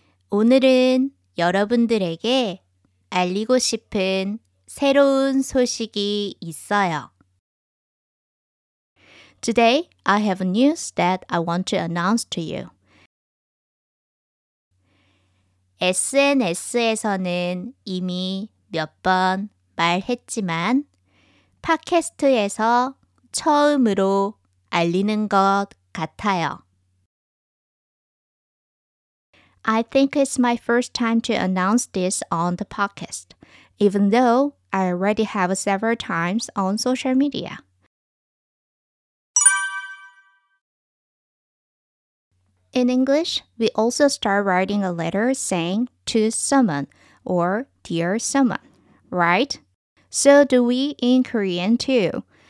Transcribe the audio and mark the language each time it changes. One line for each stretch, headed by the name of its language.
Korean: 오늘은 여러분들에게 알리고 싶은 새로운 소식이 있어요.
English: Today, I have news that I want to announce to you.
Korean: SNS에서는 이미 몇 번 말했지만 팟캐스트에서 처음으로 알리는 것 같아요.
English: I think it's my first time to announce this on the podcast, even though I already have several times on social media. In English, we also start writing a letter saying to someone or dear someone, right? So do we in Korean too.